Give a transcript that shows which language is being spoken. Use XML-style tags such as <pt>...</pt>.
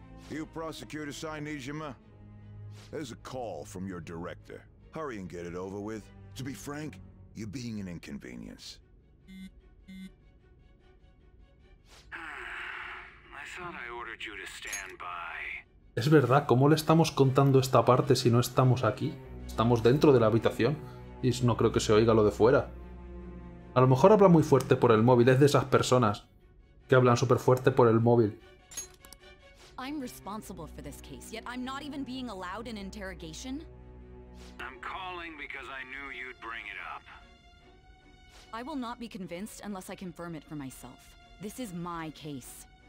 <en>you prosecutor Sai Nijima? There's a call from your director. Hurry and get it over with. To be frank, you're being an inconvenience. I thought I ordered you to stand by.</en> <es>Es verdad, ¿cómo le estamos contando esta parte si no estamos aquí? Estamos dentro de la habitación y no creo que se oiga lo de fuera. A lo mejor habla muy fuerte por el móvil, es de esas personas que hablan súper fuerte por el móvil.</es> <en>I'm responsible for this case, yet I'm not even being allowed an interrogation. I'm calling because I knew you'd bring it up. I will not be convinced unless I confirm it for myself. This is my case.</en>